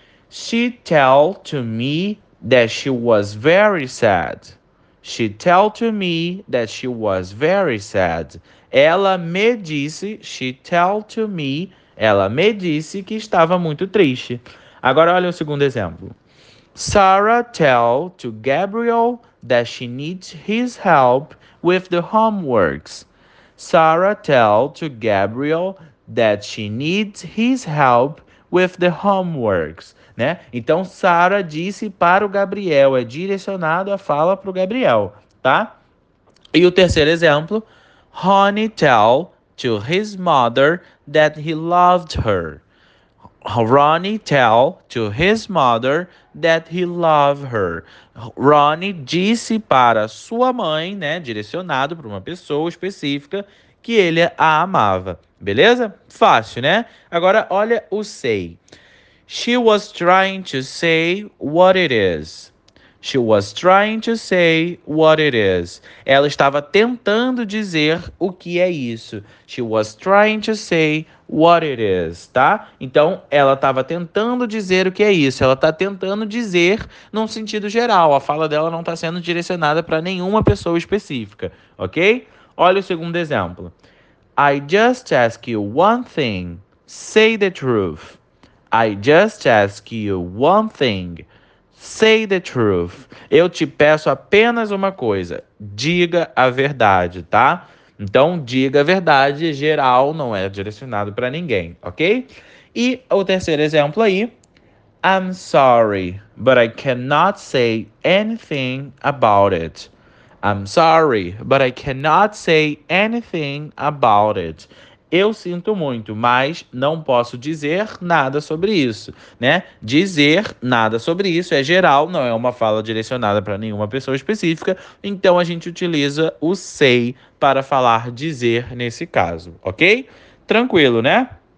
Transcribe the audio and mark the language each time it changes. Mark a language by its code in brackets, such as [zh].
[en] She tell to me that she was very sad. She tell to me that she was very sad. [pt] Ela me disse, [en] she tell to me, [pt] ela me disse que estava muito triste. Agora olha o segundo exemplo. [en] Sarah tell to Gabriel that she needs his help with the homeworks. Sarah tell to Gabriel that she needs his help with the homeworks, né? [pt] Então Sarah disse para o Gabriel, é direcionado a fala para o Gabriel, tá? E o terceiro exemplo, [en] Ronnie tell to his mother that he loved her. Ronnie tell to his mother that he loved her. [pt] Ronnie disse para sua mãe, né, direcionado para uma pessoa específica, que ele a amava. Beleza? Fácil, né? Agora olha o say. [en] She was trying to say what it is. She was trying to say what it is. [pt] Ela estava tentando dizer o que é isso. [en] She was trying to say what it is, tá? [pt] Então, ela estava tentando dizer o que é isso. Ela está tentando dizer num sentido geral. A fala dela não está sendo direcionada para nenhuma pessoa específica, ok? Olha o segundo exemplo. [en] I just ask you one thing. Say the truth. I just ask you one thing. Say the truth. [pt] Eu te peço apenas uma coisa. Diga a verdade, tá? Então, diga a verdade, geral não é direcionado para ninguém, ok? E o terceiro exemplo aí. [en] I'm sorry, but I cannot say anything about it. I'm sorry, but I cannot say anything about it. [pt] Eu sinto muito, mas não posso dizer nada sobre isso, né? Dizer nada sobre isso é geral, não é uma fala direcionada para nenhuma pessoa específica. Então a gente utiliza o say para falar dizer nesse caso, ok? Tranquilo, né?